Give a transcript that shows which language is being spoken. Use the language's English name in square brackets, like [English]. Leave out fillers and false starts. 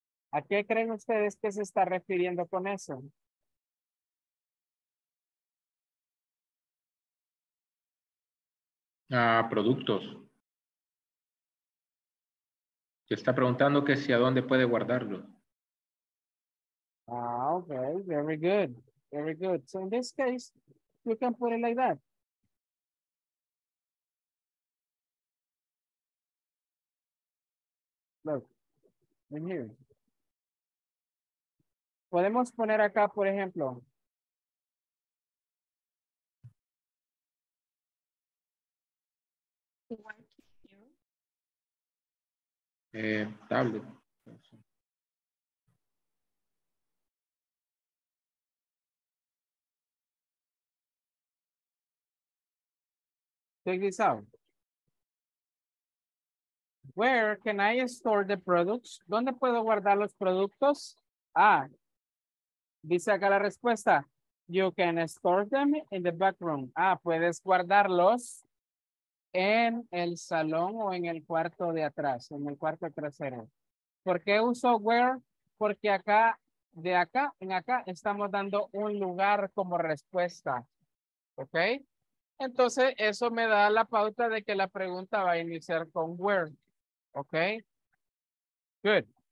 [Spanish] ¿A qué creen ustedes que se está refiriendo con eso? A productos. Se está preguntando que si a dónde puede guardarlo. [English] Ah, ok, very good, very good. So in this case, you can put it like that. Look, in here. [Spanish] Podemos poner acá, por ejemplo. [English] Tablet. check this out. Where can I store the products? [Spanish] ¿Dónde puedo guardar los productos? Ah, dice acá la respuesta. [English] You can store them in the back room. [Spanish] Ah, puedes guardarlos en el salón o en el cuarto de atrás, en el cuarto trasero. ¿Por qué uso where? Porque acá, de acá en acá, estamos dando un lugar como respuesta. ¿Ok? Entonces, eso me da la pauta de que la pregunta va a iniciar con where. ¿Ok? Good.